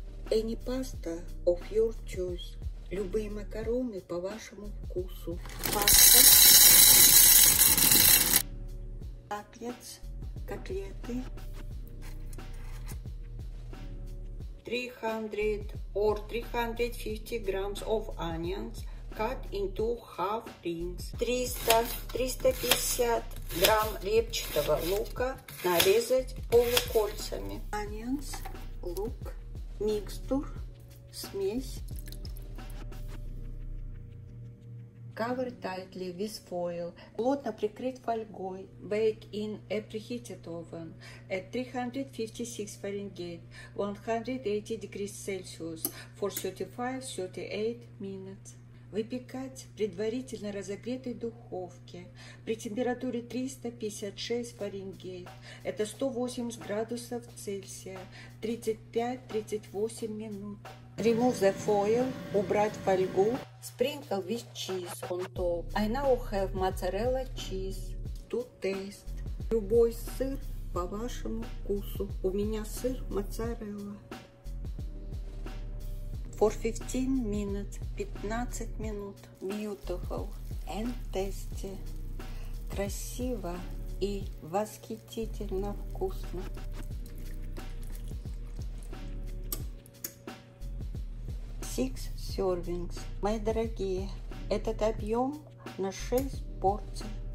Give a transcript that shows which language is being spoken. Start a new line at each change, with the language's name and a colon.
English: Any pasta of your choice.
Russian: Любые макароны по вашему вкусу. Паста. Котлет. Котлеты.
English: 300 or 350 grams of onions cut into half rings.
Russian: 300-350 грамм репчатого лука нарезать полукольцами.
English: Onions,
Russian: лук, микстур, смесь.
English: Cover tightly with foil.
Russian: Плотно прикрыть фольгой.
English: Bake in a preheated oven at 356 Fahrenheit, 180 degrees Celsius for 35-38 minutes.
Russian: Выпекать в предварительно разогретой духовке при температуре 356 Фаренгейт, это 180 градусов Цельсия, 35-38 минут.
English: Remove the foil,
Russian: убрать фольгу.
English: Sprinkle with cheese on top. I now have mozzarella cheese to taste.
Russian: Любой сыр по вашему вкусу. У меня сыр моцарелла.
English: For 15 minutes,
Russian: 15 минут.
English: Beautiful and tasty.
Russian: Красиво и восхитительно вкусно.
English: Six servings.
Russian: Мои дорогие, этот объем на 6 порций.